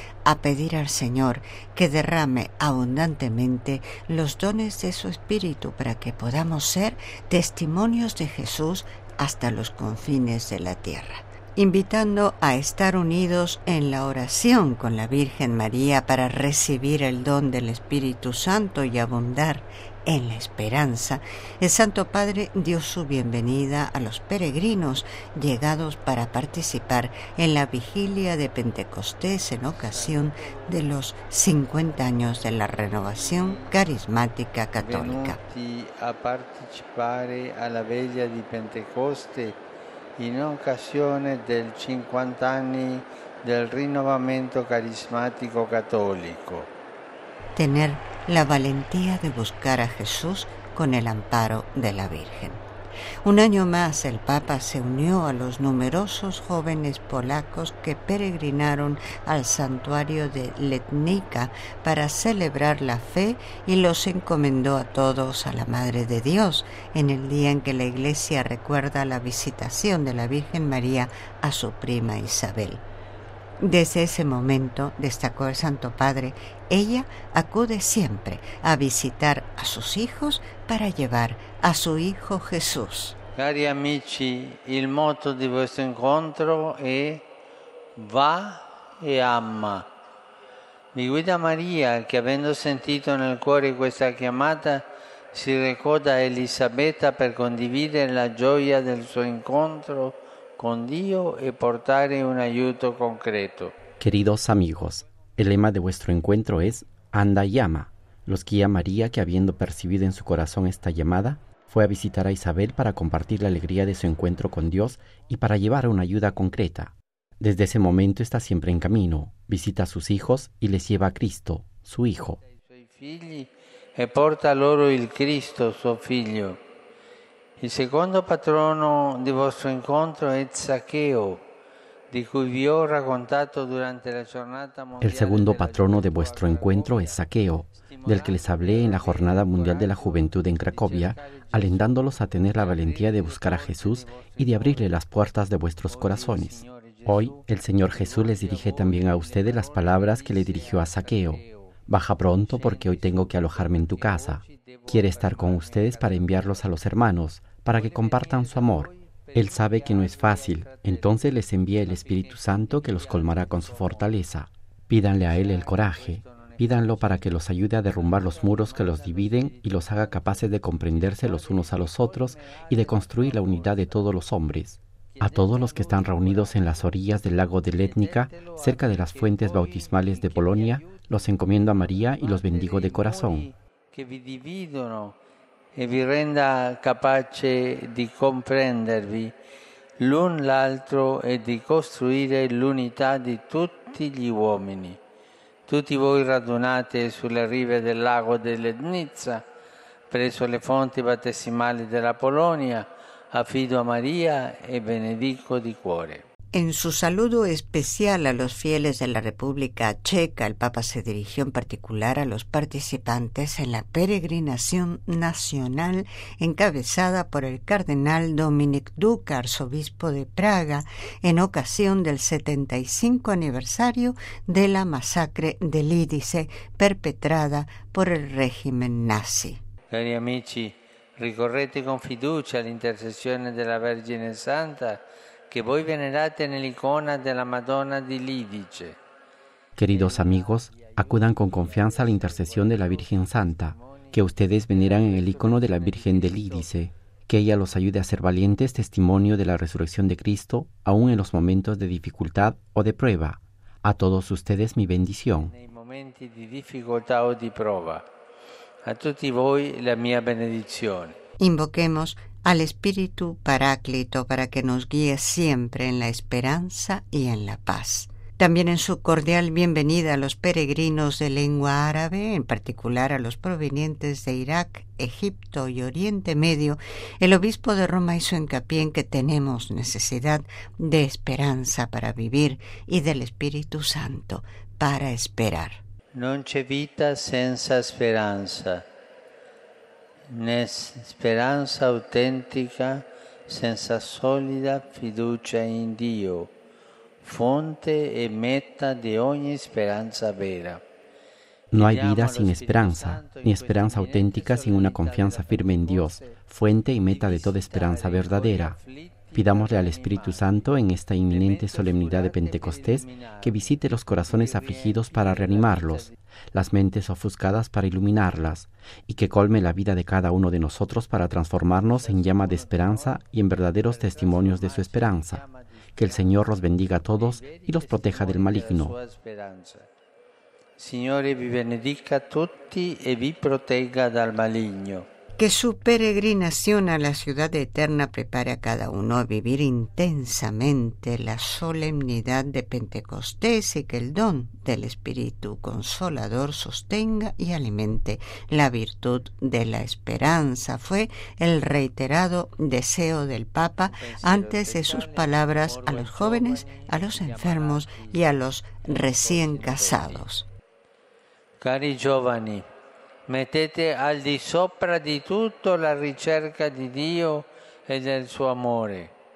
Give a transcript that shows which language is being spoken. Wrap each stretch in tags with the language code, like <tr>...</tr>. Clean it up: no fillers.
<es>a pedir al Señor que derrame abundantemente los dones de su Espíritu para que podamos ser testimonios de Jesús hasta los confines de la tierra, invitando a estar unidos en la oración con la Virgen María para recibir el don del Espíritu Santo y abundar en la esperanza. El Santo Padre dio su bienvenida a los peregrinos llegados para participar en la vigilia de Pentecostés en ocasión de los 50 años de la renovación carismática católica.</es> <it>Venuti a partecipare alla veglia di Pentecoste in occasione del 50 anni del rinnovamento carismatico cattolico.</it> <es>Tener la valentía de buscar a Jesús con el amparo de la Virgen. Un año más, el Papa se unió a los numerosos jóvenes polacos que peregrinaron al santuario de Letnica para celebrar la fe y los encomendó a todos a la Madre de Dios en el día en que la Iglesia recuerda la visitación de la Virgen María a su prima Isabel. Desde ese momento, destacó el Santo Padre, ella acude siempre a visitar a sus hijos para llevar a su Hijo Jesús.</es> <it>Cari amici, il motto di questo incontro è va e ama. Mi guida Maria, che avendo sentito nel cuore questa chiamata, si recò da Elisabetta per condividere la gioia del suo incontro con Dio y portar un ayuto concreto.</it> <es>Queridos amigos, el lema de vuestro encuentro es Anda y ama. Los guía María, que habiendo percibido en su corazón esta llamada, fue a visitar a Isabel para compartir la alegría de su encuentro con Dios y para llevar una ayuda concreta. Desde ese momento está siempre en camino, visita a sus hijos y les lleva a Cristo, su Hijo.</es> <it>E porta loro il Cristo, suo figlio. Il secondo patrono di vostro incontro è Zaccheo, di cui vi ho raccontato durante la giornata mondiale.</it> <es>El segundo patrono de vuestro encuentro es Zaccheo, del que les hablé en la Jornada Mundial de la Juventud en Cracovia, alentándolos a tener la valentía de buscar a Jesús y de abrirle las puertas de vuestros corazones. Hoy, el Señor Jesús les dirige también a ustedes las palabras que le dirigió a Zaccheo. Baja pronto porque hoy tengo que alojarme en tu casa. Quiere estar con ustedes para enviarlos a los hermanos, para que compartan su amor. Él sabe que no es fácil, entonces les envía el Espíritu Santo que los colmará con su fortaleza. Pídanle a Él el coraje. Pídanlo para que los ayude a derrumbar los muros que los dividen y los haga capaces de comprenderse los unos a los otros y de construir la unidad de todos los hombres. A todos los que están reunidos en las orillas del lago de Letnica, cerca de las fuentes bautismales de Polonia, los encomiendo a María y los bendigo de corazón.</es> <it>Que vi dividono e vi renda capace di comprendervi l'un l'altro e di costruire l'unità di tutti gli uomini. Tutti voi radunate sulle rive del lago de Letnica, presso le fonti battesimali della Polonia, affido a Maria e benedico di cuore.</it> <es>En su saludo especial a los fieles de la República Checa, el Papa se dirigió en particular a los participantes en la peregrinación nacional encabezada por el cardenal Dominik Duka, arzobispo de Praga, en ocasión del 75 aniversario de la masacre de Lidice perpetrada por el régimen nazi.</es> <it>Cari amici, ricorrete con fiducia l'intercessione della Vergine Santa que voi venerate nell'icona della Madonna di Lidice.</it> <es>Queridos amigos, acudan con confianza a la intercesión de la Virgen Santa, que ustedes veneran en el icono de la Virgen de Lidice, que ella los ayude a ser valientes testimonio de la resurrección de Cristo, aun en los momentos de dificultad o de prueba. A todos ustedes mi bendición.</es> <it>Nei momenti di difficoltà o di prova, a tutti voi la mia benedizione.</it> <es>Invoquemos al Espíritu Paráclito para que nos guíe siempre en la esperanza y en la paz. También en su cordial bienvenida a los peregrinos de lengua árabe, en particular a los provenientes de Irak, Egipto y Oriente Medio, el obispo de Roma hizo hincapié en que tenemos necesidad de esperanza para vivir y del Espíritu Santo para esperar.</es> <it>Non c'è vita senza speranza. Né speranza autentica senza solida fiducia in Dio, fonte e meta di ogni speranza vera.</it> <es>No hay vida sin esperanza, ni esperanza auténtica sin una confianza firme en Dios, fuente y meta de toda esperanza verdadera. Pidámosle al Espíritu Santo en esta inminente solemnidad de Pentecostés que visite los corazones afligidos para reanimarlos, las mentes ofuscadas para iluminarlas, y que colme la vida de cada uno de nosotros para transformarnos en llama de esperanza y en verdaderos testimonios de su esperanza. Que el Señor los bendiga a todos y los proteja del maligno.</es> <it>Signore, vi benedica tutti e vi protegga dal maligno.</it> <es>Que su peregrinación a la ciudad eterna prepare a cada uno a vivir intensamente la solemnidad de Pentecostés y que el don del Espíritu Consolador sostenga y alimente la virtud de la esperanza. Fue el reiterado deseo del Papa antes de sus palabras a los jóvenes, a los enfermos y a los recién casados.</es> <it>Cari giovani, mettete al di sopra di tutto la ricerca di Dio e del suo amore.</it>